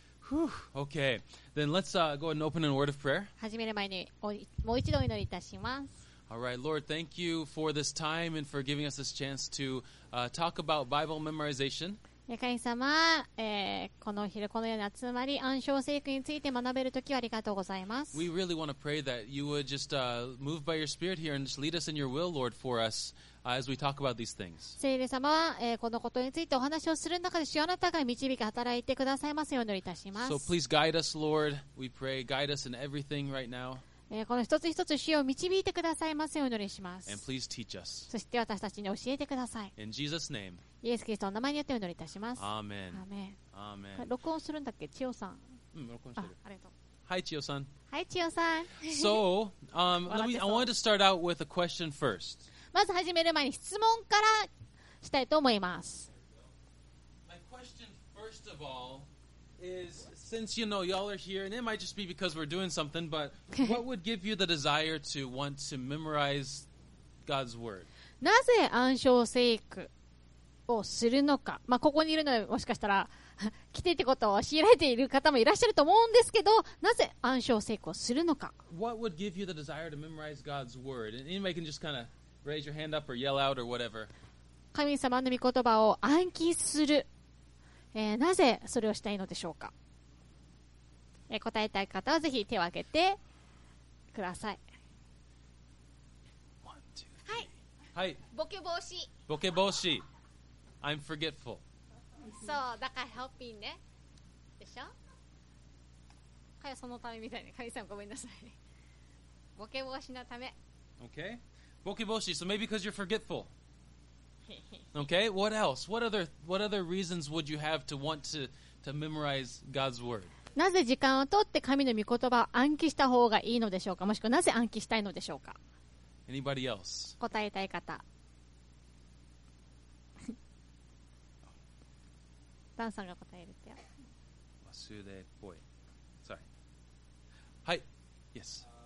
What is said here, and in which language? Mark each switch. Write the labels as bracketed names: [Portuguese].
[English] Whew, okay, then let's go ahead and open in a word of prayer. [Japanese] 始める前にもう一度お祈りいたします。 [English] All right, Lord, thank you for this time and for giving us this chance to talk about Bible memorization. [Japanese] 神様、この昼このような集まり、暗唱聖句について学べるときはありがとうございます。 [English] We really want to pray that you would just move by your spirit here and just lead us in your will, Lord, for us. As we talk about these things. [Japanese] 聖霊様は、このことについてお話をする中で主よあなたが導き働いてくださいますようお祈りいたします。 [English] So please guide us, Lord. We pray, guide us in everything right now. [Japanese] この一つ一つ主を導いてくださいますようお祈りします。 [English] And please teach us. [Japanese] そして私たちに教えてください。 [English] In Jesus' name. [Japanese] イエス・キリストの名前によってお祈りいたします。 [English] Amen. Amen. Amen. [Japanese] 録音するんだっけ、千代さん。うん、録音してる。あ、ありがとう。 [English] Hi, Chiyo-san. Hi, Chiyo-san. So, I wanted to start out with a question first. [Japanese] まず始める前に質問からしたいと思います。 [English] My question, first of all, is since you know y'all are here, and it might just be because we're doing something, but what would give you the desire to want to memorize God's word? [Japanese] なぜ暗唱聖句をするのか、まあ、ここにいるのはもしかしたら来てってことを教えられている方もいらっしゃると思うんですけど、なぜ暗唱聖句をするのか。 [English] What would give you the desire to memorize God's word? And anybody can just kind of. Raise your hand up or yell out or whatever. [Japanese] 神様の御言葉を暗記する、なぜそれをしたいのでしょうか、答えたい方はぜひ手を挙げてください。 [English] One, two, [Japanese] はい、はい、ボケ防止、ボケ防止。 [English] I'm forgetful. [Japanese] そうだから helping ね、でしょ、かよそのためみたいに。神様ごめんなさい。ボケ防止のため。 [English] Okay. Bokeboshi, so maybe because you're forgetful. Okay, what else? What other reasons would you have to want to memorize God's word? [Japanese] なぜ時間を取って神の御言葉を暗記した方がいいのでしょうか、もしくはなぜ暗記したいのでしょうか。 [English] Anybody else? [Japanese] 答えたい方。ダンさんが答えるってよ。忘れっぽい。 [English] Sorry. [Japanese] はい。Yes.